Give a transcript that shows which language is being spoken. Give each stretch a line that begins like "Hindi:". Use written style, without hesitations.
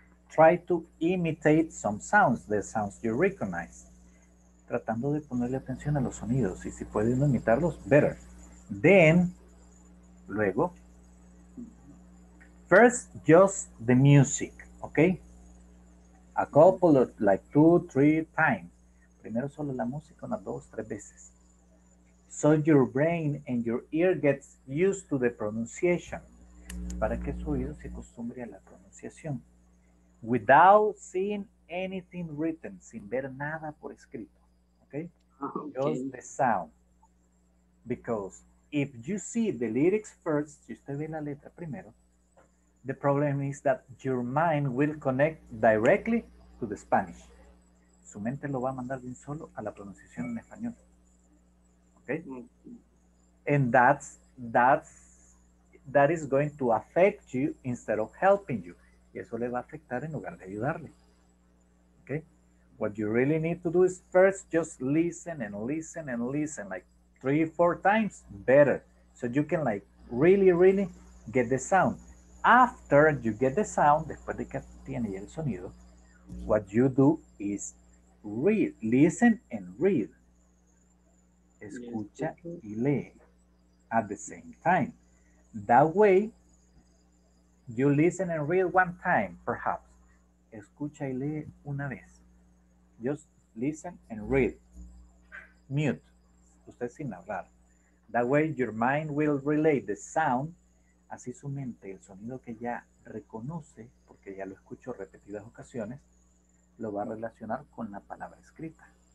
English: Try to imitate some sounds, the sounds you recognize.
Spanish: Tratando de ponerle atención a los sonidos y si pueden imitarlos,
English: better. Then,
Spanish: luego,
English: first just the music, okay? A couple of, like, 2-3 times.
Spanish: Primero solo la música, una, 2-3 veces.
English: So your brain and your ear gets used to the pronunciation.
Spanish: Para que su oído se acostumbre a la pronunciación.
English: Without seeing anything written,
Spanish: sin ver nada por escrito.
English: Okay? Okay. Just the sound. Because if you see the lyrics first,
Spanish: si usted ve la letra primero,
English: the problem is that your mind will connect directly to the Spanish.
Spanish: Su mente lo va a mandar bien solo a la pronunciación en español.
English: Okay? And that is going to affect you instead of helping you.
Spanish: Y eso le va a afectar en lugar de ayudarle.
English: Okay? What you really need to do is first just listen and listen and listen like 3-4 times, better. So you can like really, really get the sound. After you get the sound,
Spanish: después de que tiene el sonido,
English: what you do is read, listen and read.
Spanish: Escucha y lee
English: at the same time. That way, you listen and read one time, perhaps.
Spanish: Escucha y lee una vez.
English: Just listen and read. Mute.
Spanish: Usted sin hablar.
English: That way, your mind will relate the sound.
Spanish: Así su mente, el sonido que ya reconoce, porque ya lo escucho repetidas ocasiones, lo va a relacionar con la palabra escrita.